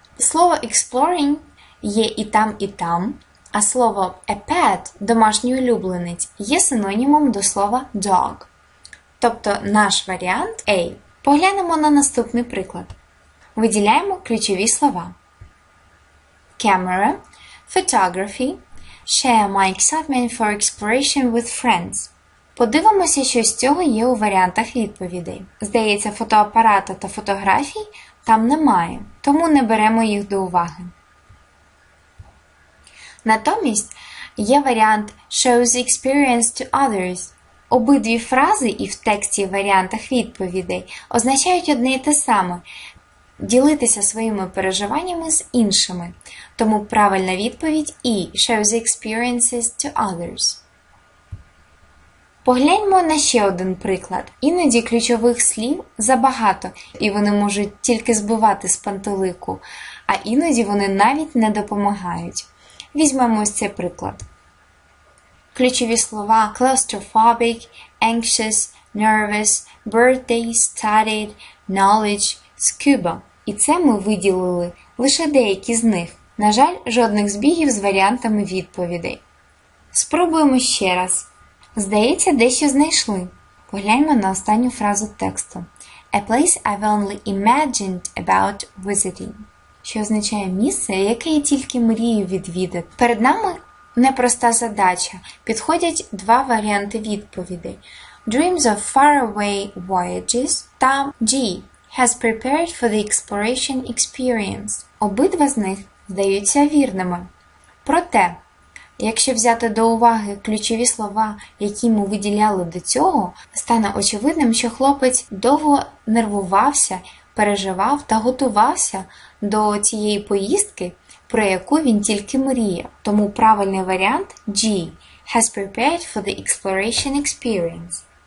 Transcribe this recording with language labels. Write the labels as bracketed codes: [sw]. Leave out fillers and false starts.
[uk] Слово exploring є і там, а слово a pet, домашній улюбленець, є синонімом до слова dog. Тобто наш варіант A. Поглянемо на наступний приклад. Виділяємо ключові слова. [en] Camera, photography, share my excitement for exploration with friends. [uk] Подивимося, що з цього є у варіантах відповідей. Здається, фотоапарата та фотографій там немає, тому не беремо їх до уваги. Натомість є варіант [en] shows experience to others. [uk] Обидві фрази і в тексті в варіантах відповідей означають одне й те саме – ділитися своїми переживаннями з іншими. Тому правильна відповідь – E – [en] shows experiences to others. [uk] Погляньмо на ще один приклад. Іноді ключових слів забагато, і вони можуть тільки збивати з пантелику, а іноді вони навіть не допомагають. Візьмемо ось цей приклад. Ключові слова [en] claustrophobic, anxious, nervous, birthday, studied, knowledge, scuba. [uk] І це ми виділили лише деякі з них. На жаль, жодних збігів з варіантами відповідей. Спробуємо ще раз. Здається, дещо знайшли. Погляньмо на останню фразу тексту. [en] A place I've only imagined about visiting. [uk] Що означає місце, яке я тільки мрію відвідати. Перед нами непроста задача. Підходять два варіанти відповідей. [en] Dreams of faraway voyages та G. Has prepared for the exploration experience. [uk] Обидва з них здаються вірними. Проте, якщо взяти до уваги ключові слова, які ми виділяли до цього, стане очевидним, що хлопець довго нервувався, переживав та готувався до цієї поїздки, про яку він тільки мріяв. Тому правильний варіант [en] G. Has prepared for the exploration experience.